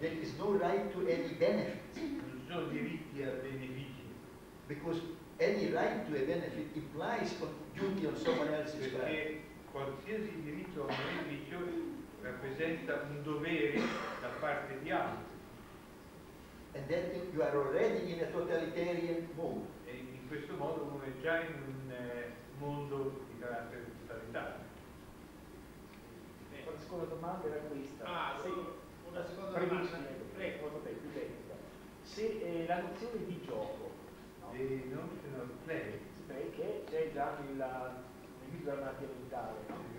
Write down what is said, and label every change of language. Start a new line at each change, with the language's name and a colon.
English: There is no right to any benefits.
Italian: Non ci sono diritti a benefici.
English: Because any right to a benefit implies a duty on someone else's part.
Italian: Perché qualsiasi diritto a un beneficio rappresenta un dovere da parte di altri.
English: And then you are already in a totalitarian mode.
Italian: E in questo modo uno è già in un mondo di carattere totalitario. La seconda domanda era questa. Una seconda domanda. Prego, più tecnica. Se la nozione di gioco, no? Che c'è già nel mito della malattia mentale, no?